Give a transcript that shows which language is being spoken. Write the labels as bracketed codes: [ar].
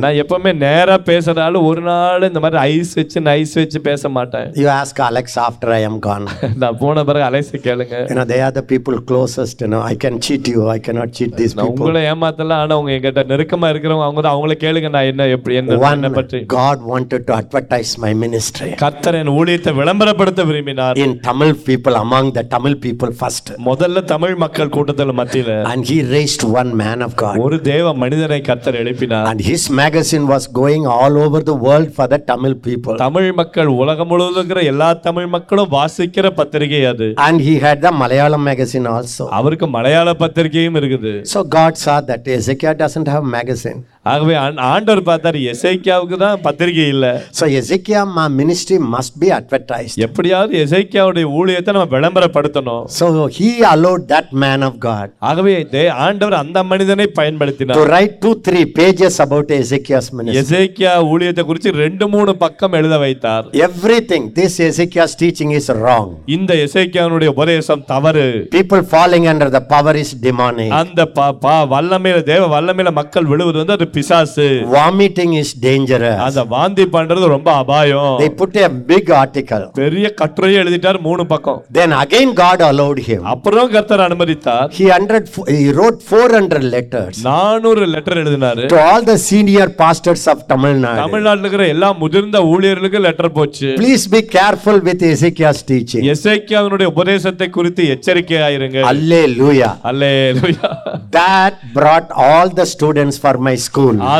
[ta] நான் எப்பவுமே நேரா பேசறதால ஒரு நாள் இந்த மாதிரி ஐஸ் வெச்சு பேச மாட்டேன். [en] You ask Alex after I am gone. [ta] நான் போன பிறகு அலெக்ஸ் கேளுங்க. [en] You know, they are the people closest to know. I can cheat you. I cannot cheat these people. [ta] நான் உங்களை ஏமாத்தலாம், ஆனா உங்க எங்கட்ட நெருக்கமா இருக்கிறவங்க அவங்க தான். அவங்களை கேளுங்க, நான் என்ன எப்படி என்ன பற்றி. [en] God wanted to advertise my ministry. [ta] கர்த்தர் என் ஊழியத்தை விளம்பரப்படுத்த விரும்பினார். [en] In Tamil people, among the Tamil people first. [ta] முதல்ல தமிழ் மக்கள் கூட்டத்தில் மத்தியில. [en] And he raised one man of God. [ta] ஒரு தேவ மனிதரை கர்த்தர் எழுப்பினார். [en] And his magazine was going all over the world for the Tamil people. [ta] Tamil மக்கள் உலகம் முழுவதும் இருக்கிற எல்லா தமிழ் மக்களும் வாசிக்கிற பத்திரிகை அது. [en] And he had the Malayalam magazine also. [ta] அவருக்கு மலையாள பத்திரிகையும் இருக்குது. [en] So God saw that Ezekiel doesn't have a magazine. [ta] ஆகவே ஆண்டவர் பார்த்தார், எசேக்கியாவுக்கு தான் பத்திரிகை இல்லை. [en] So Ezekiel, my ministry must be advertised. [ta] எப்படியாவது எசேக்கியாவுடைய ஊழியத்தை நாம விளம்பரப்படுத்தணும். [en] So he allowed that man of God. [ta] ஆகவே ஆண்டவர் அந்த மனிதனை பயன்படுத்தினார். [en] To write 2-3 pages about Ezekiel's ministry. [ta] எசேக்கியா ஊழியத்தை குறித்து 2-3 பக்கம் எழுத வைத்தார். [en] Everything this Ezekiel's teaching is wrong. [ta] இந்த எசேக்கியாவுடைய உபதேசம் தவறு. [en] People falling under the power is demonic. [ta] அந்த வல்லமையில, தேவ வல்லமையில மக்கள் விழுவது வந்து பிசாசு. [en] Vomiting is dangerous. [ta] அந்த வாந்தி பண்றது ரொம்ப அபாயம். [en] They put a big article. [ta] பெரிய கட்டுரை எழுதிட்டார் மூணு பக்கம். [en] Then again God allowed him. [ta] அப்புறம் கர்த்தர் அனுமதித்தார். [en] He hundred he wrote 400 letters. [ta] 400 letter எழுதினார். [en] To all the senior pastors of Tamil Nadu. [ta] தமிழ்நாட்டில் இருக்கிற எல்லா முதிர்ந்த ஊழியர்களுக்கு லெட்டர் போச்சு. [en] Please be careful with Ezekias teaching. [ta] எசேக்கியாவுடைய உபதேசத்தை குறித்து எச்சரிக்கையாயிருங்க. அல்லேலூயா. Hallelujah. [en] That brought all the students for my school.